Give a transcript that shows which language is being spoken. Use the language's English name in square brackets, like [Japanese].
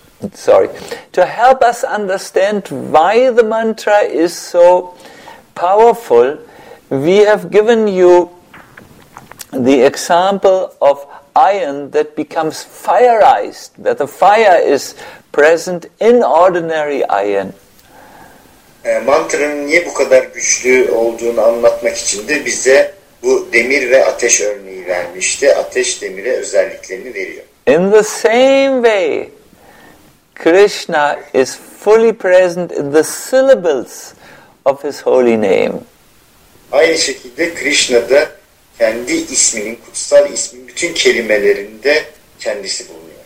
[English] to help us understand why the mantra is so powerful, we have given you the example of iron that becomes fireized, that the fire is present in ordinary iron. [Turkish] Mantranın niye bu kadar güçlü olduğunu anlatmak için de bize bu demir ve ateş örneği vermişti. Ateş demire özelliklerini veriyor. [English] In the same way, Krishna is fully present in the syllables of his holy name. [Turkish] Aynı şekilde Krishna da kendi isminin, kutsal ismin bütün kelimelerinde kendisi bulunuyor.